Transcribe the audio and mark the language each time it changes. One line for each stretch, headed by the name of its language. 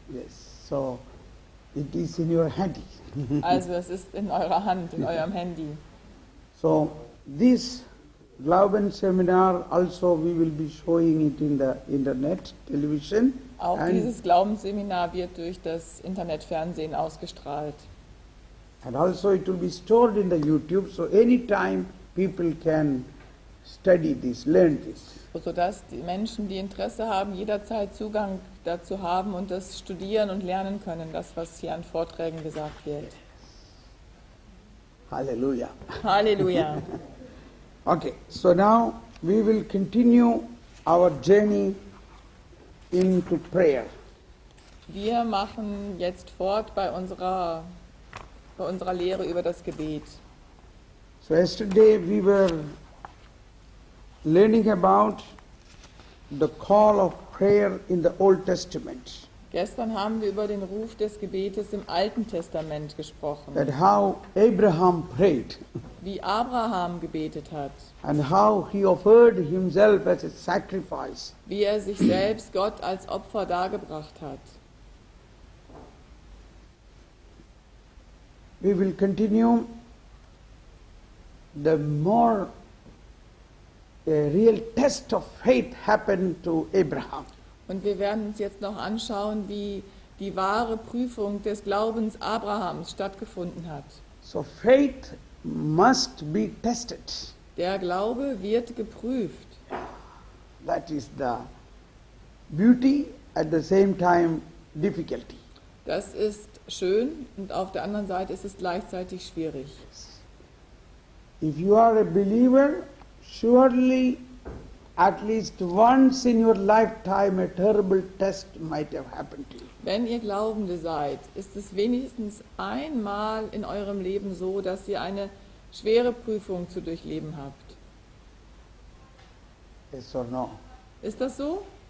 English: Yes, so it is in your handy.
German: Also es ist in eurer Hand, in eurem Handy.
English: So this
German: Glauben Seminar
English: also we will be showing it in the internet television.
German: Auch and dieses Glaubensseminar wird durch das Internetfernsehen ausgestrahlt.
English: And also it will be stored in the YouTube, so anytime people can study this, learn this.
German: Sodass die Menschen, die Interesse haben, jederzeit Zugang dazu haben und das studieren und lernen können, das, was hier an Vorträgen gesagt wird. Halleluja. Halleluja.
English: Okay, so now we will continue our journey into prayer.
German: Wir machen jetzt fort bei unserer Lehre über das Gebet.
English: So yesterday we were learning about the call of prayer in the Old Testament.
German: Gestern haben wir über den Ruf des Gebetes im Alten Testament gesprochen.
English: That how Abraham prayed.
German: Wie Abraham gebetet hat.
English: And how he offered himself as a sacrifice.
German: Wie er sich selbst Gott als Opfer dargebracht hat.
English: We will continue the more a real test of faith happened to Abraham.
German: Und wir werden uns jetzt noch anschauen, wie die wahre Prüfung des Glaubens Abrahams stattgefunden hat.
English: So faith must be tested.
German: Der Glaube wird geprüft.
English: That is the beauty at the same time difficulty.
German: Das ist schön und auf der anderen Seite ist es gleichzeitig schwierig.
English: If you are a believer, surely at least once in your lifetime a terrible test might have happened to you.
German: Wenn ihr Glaubende seid, ist es wenigstens einmal in eurem Leben so, dass ihr eine schwere Prüfung zu durchleben habt.
English: Yes or no?
German: Ist das so?